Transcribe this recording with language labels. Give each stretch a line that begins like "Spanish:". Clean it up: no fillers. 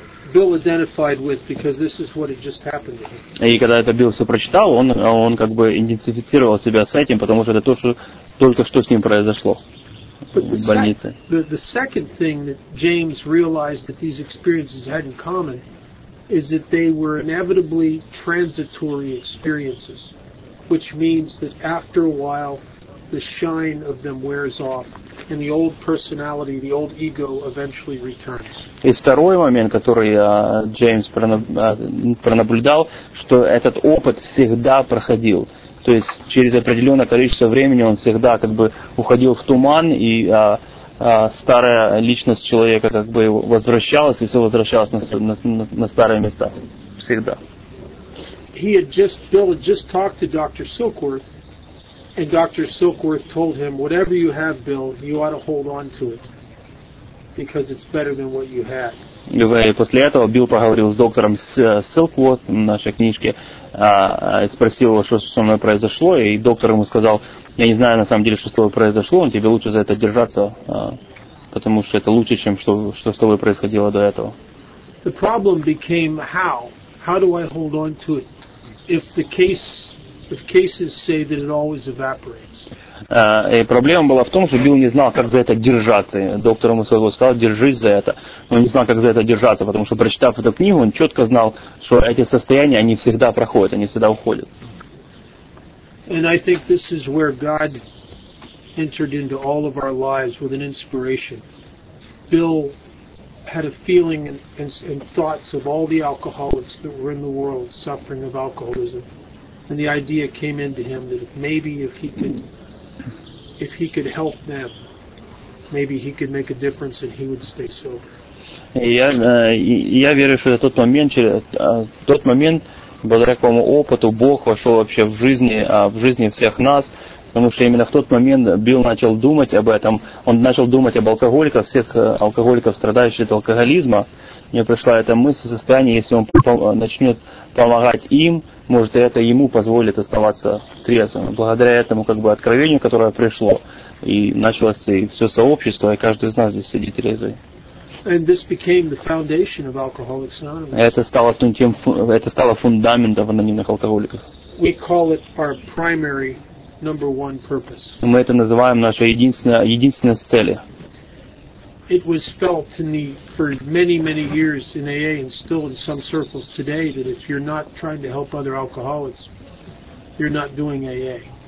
English: Bill identified with because this is what had just happened to him.
Russian: И когда это Билл все прочитал, он как бы идентифицировал себя с этим, потому что это то, что только что с ним произошло в больнице.
English: The second thing that James realized that these experiences had in common is that they were inevitably transitory experiences, which means that after a while the shine of them wears off. And the old personality, the old ego eventually returns.
Russian: И второй момент, который Джеймс пронаблюдал, что этот опыт всегда проходил. То есть через определенное количество времени он всегда как бы уходил в туман, и старая личность человека как бы возвращалась, и все возвращалось на старые места. Всегда.
English: Билл had just talked to Dr. Silkworth. And Dr. Silkworth told him, whatever you have, Bill, you ought to hold on to it, because it's better than what you had.
Russian: И после этого Билл поговорил с доктором Silkworth в нашей книжке, и спросил его, что со мной произошло, и доктор ему сказал, я не знаю на самом деле, что с тобой произошло, но тебе лучше за это держаться, потому что это лучше, чем что с тобой происходило до этого.
English: The problem became how? How do I hold on to it? If cases say that it always evaporates.
Russian: И проблема была в том, что Билл не знал, как за это держаться. Доктор ему своего сказал, держись за это. Но он не знал, как за это держаться, потому что, прочитав эту книгу, он четко знал, что эти состояния, они всегда проходят, они всегда уходят.
English: And I think this is where God entered into all of our lives with an inspiration. Bill had a feeling and thoughts of all the alcoholics that were in the world suffering of alcoholism. And the idea came into him that maybe if he could help them, maybe he could make a difference and he would stay sober.
Russian: Я верю, что тот момент, благодаря какому опыту Бог вошел вообще в жизни всех нас, потому что именно в тот момент Билл начал думать об этом. Он начал думать об алкоголиках, всех алкоголиков, страдающих от алкоголизма. У него пришла эта мысль, состояние, если он начнет помогать им, может, это ему позволит оставаться трезвым. Благодаря этому как бы откровению, которое пришло, и началось и все сообщество, и каждый из нас здесь сидит трезвый.
English: And this became the foundation of Alcoholics Anonymous.
Russian: Это стало фундаментом в анонимных алкоголиках.
English: We call it our primary number one purpose.
Russian: Мы это называем нашей единственной целью.
English: It was felt in the for many many years in AA and still in some circles today that if you're not trying to help other alcoholics, you're not doing AA.